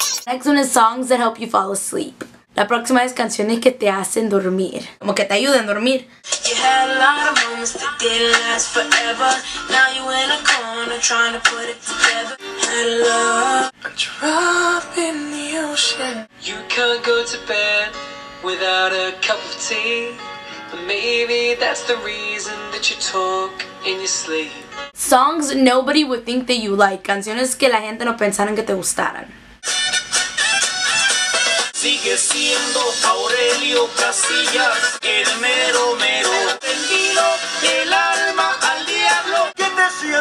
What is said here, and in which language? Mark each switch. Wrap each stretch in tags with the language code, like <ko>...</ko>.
<en>Next one is songs that help you fall asleep.</en> <es>La próxima es canciones que te hacen dormir. Como que te ayudan a dormir.</es> <en>You had a lot of moments that didn't last forever. Now you're in a corner trying to put it together. Hello. Drop in the ocean. You can't go to bed without a cup of tea. But maybe that's the reason that you talk in your sleep. Songs nobody would think that you like.</en> <es>Canciones que la gente no pensaron que te gustaran. Sigue siendo Aurelio Casillas, el mero mero. Vendido el alma al diablo. Que te</es>